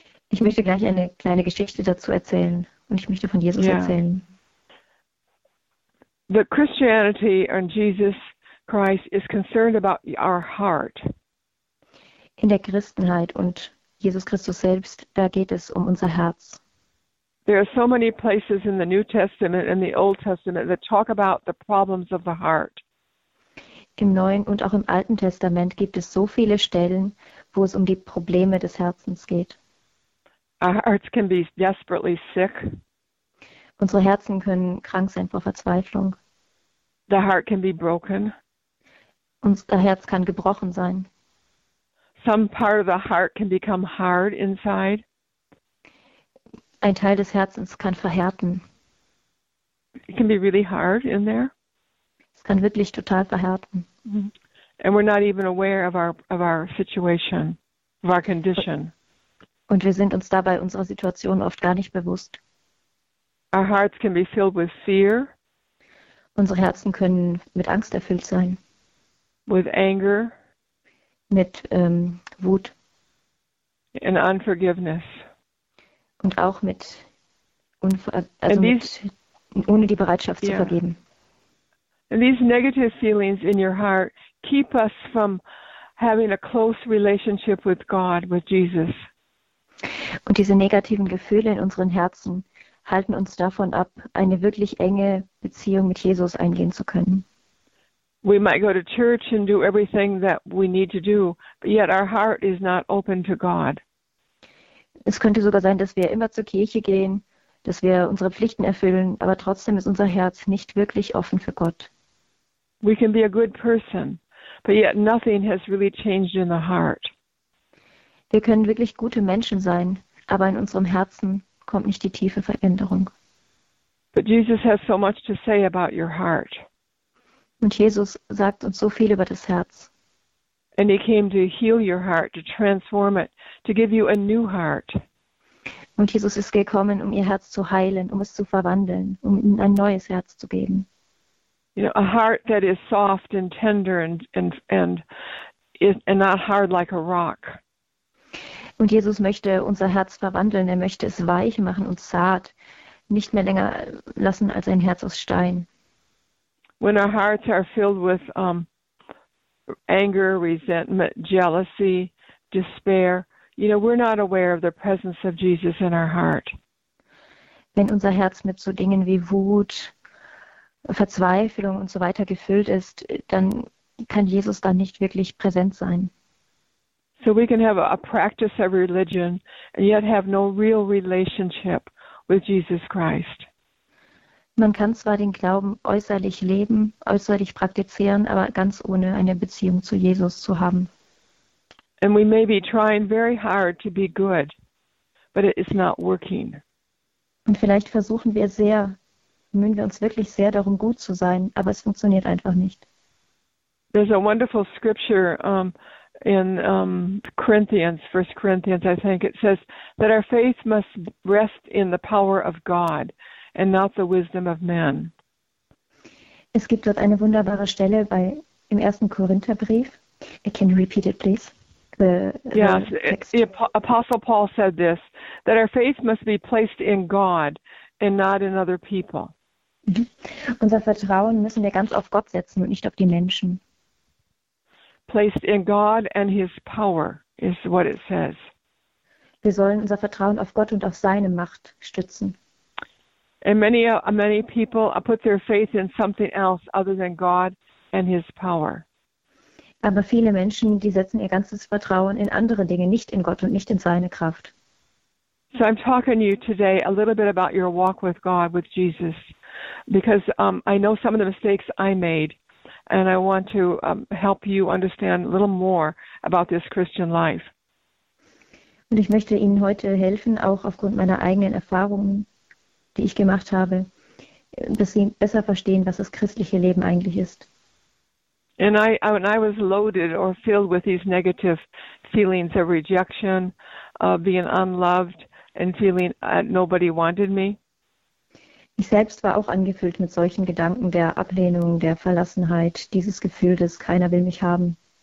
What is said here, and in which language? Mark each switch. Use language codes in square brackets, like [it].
[de] Ich möchte gleich eine kleine Geschichte dazu erzählen und ich möchte von Jesus erzählen. [en] The Christianity and Jesus Christ is concerned about our heart. [de] In der Christenheit und Jesus Christus selbst, da geht es um unser Herz. [en] There are so many places in the New Testament and the Old Testament that talk about the problems of the heart. [de] Im Neuen und auch im Alten Testament gibt es so viele Stellen, wo es um die Probleme des Herzens geht. [en] Our hearts can be desperately sick. [de] Unsere Herzen können krank sein vor Verzweiflung. [en] The heart can be broken. [de] Unser Herz kann gebrochen sein. [en] Some part of the heart can become hard inside. [de] Ein Teil des Herzens kann verhärten. [en] It can be really hard in there. [de] Es kann wirklich total verhärten. [en] And we're not even aware of our situation, of our condition. [de] Und wir sind uns dabei unserer Situation oft gar nicht bewusst. [en] Our hearts can be filled with fear. [de] Unsere Herzen können mit Angst erfüllt sein. [en] With anger. [de] Mit Wut. [en] And unforgiveness. [de] Und auch mit, ohne die Bereitschaft zu vergeben. [en] And these negative feelings in your heart keep us from having a close relationship with God, with Jesus. [de] Und diese negativen Gefühle in unseren Herzen halten uns davon ab, eine wirklich enge Beziehung mit Jesus eingehen zu können. [en] We might go to church and do everything that we need to do, but yet our heart is not open to God. [de] Es könnte sogar sein, dass wir immer zur Kirche gehen, dass wir unsere Pflichten erfüllen, aber trotzdem ist unser Herz nicht wirklich offen für Gott. [en] We can be a good person, but yet nothing has really changed in the heart. [de] Wir können wirklich gute Menschen sein, aber in unserem Herzen kommt nicht die tiefe Veränderung. [en] But Jesus has so much to say about your heart. [de] Und Jesus sagt uns so viel über das Herz. [en] And he came to heal your heart, to transform it, to give you a new heart. [de] Und Jesus ist gekommen, um ihr Herz zu heilen, um es zu verwandeln, um ihnen ein neues Herz zu geben. [en] You know, a heart that is soft and tender and not hard like a rock. [de] Und Jesus möchte unser Herz verwandeln. Er möchte es weich machen und zart, nicht mehr länger lassen als ein Herz aus Stein. [en] When our hearts are filled with anger, resentment, jealousy, despair, you know, we're not aware of the presence of Jesus in our heart. [de] Wenn unser Herz mit so Dingen wie Wut, Verzweiflung und so weiter gefüllt ist, dann kann Jesus da nicht wirklich präsent sein. [en] So we can have a practice of religion and yet have no real relationship with Jesus Christ. [de] Man kann zwar den Glauben äußerlich leben, äußerlich praktizieren, aber ganz ohne eine Beziehung zu Jesus zu haben. [en] And we may be trying very hard to be good, but it is not working. [de] Und vielleicht versuchen wir sehr, bemühen wir uns wirklich sehr darum, gut zu sein, aber es funktioniert einfach nicht. [en] There's a wonderful scripture in Corinthians, 1 Corinthians, I think it says that our faith must rest in the power of God and not the wisdom of man. [de] Es gibt dort eine wunderbare Stelle bei im ersten Korintherbrief. [en] Can you repeat it, please? Apostle Paul said this, that our faith must be placed in God and not in other people. [de] Unser Vertrauen müssen wir ganz auf Gott setzen und nicht auf die Menschen. [en] Placed in God and his power is what it says. [de] Wir sollen unser Vertrauen auf Gott und auf seine Macht stützen. [en] And many people put their faith in something else other than God and his power. [de] Aber viele Menschen, die setzen ihr ganzes Vertrauen in andere Dinge, nicht in Gott und nicht in seine Kraft. [en] So I'm talking to you today a little bit about your walk with God, with Jesus, because I know some of the mistakes I made, and I want to help you understand a little more about this Christian life. [de] Und ich möchte Ihnen heute helfen, auch aufgrund meiner eigenen Erfahrungen, die ich gemacht habe, dass Sie besser verstehen, was das christliche Leben eigentlich ist. [en] And I was loaded or filled with these negative feelings of rejection, being unloved and feeling nobody wanted me. [de] Ich selbst war auch angefüllt mit solchen Gedanken der Ablehnung, der Verlassenheit, dieses Gefühl, dass keiner will mich haben.